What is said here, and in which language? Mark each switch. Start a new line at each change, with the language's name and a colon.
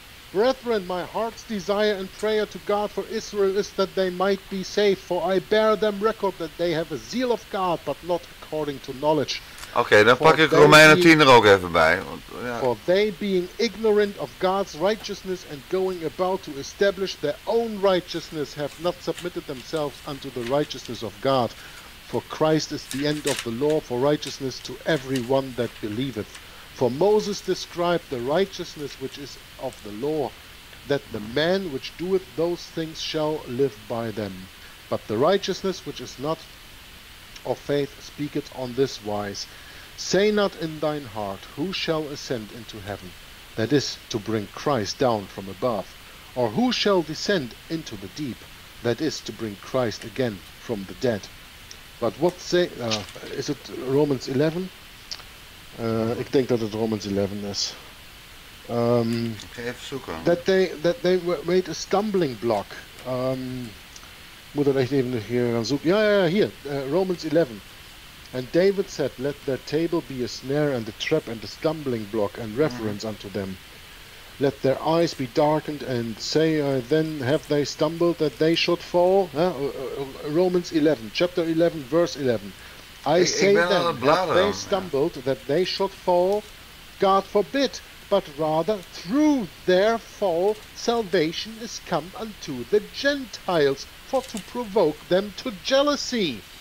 English: Brethren, my heart's desire and prayer to God for Israel is that they might be saved, for I bear them record that they have a zeal of God, but not according to knowledge.
Dutch: Okay, dan pak ik Romeinen 10 er ook even bij.
English: For they being ignorant of God's righteousness and going about to establish their own righteousness have not submitted themselves unto the righteousness of God. For Christ is the end of the law for righteousness to everyone that believeth. For Moses described the righteousness which is of the law, that the man which doeth those things shall live by them. But the righteousness which is not of faith speaketh on this wise, say not in thine heart, who shall ascend into heaven, that is, to bring Christ down from above, or who shall descend into the deep, that is, to bring Christ again from the dead. But what say, is it Romans 11?
Dutch: Ik denk dat het Romans 11 is. Even zoeken.
English: That they made a stumbling block.
Dutch: Moet dat echt even hier gaan zoeken. Ja, hier. Romans 11.
English: And David said, let the table be a snare and the trap and a stumbling block and reverence unto them. Let their eyes be darkened and say, then have they stumbled that they should fall? Huh? Romans 11, chapter 11, verse 11. That they should fall, God forbid, but rather through their fall, salvation is come unto the Gentiles, for to provoke them to jealousy.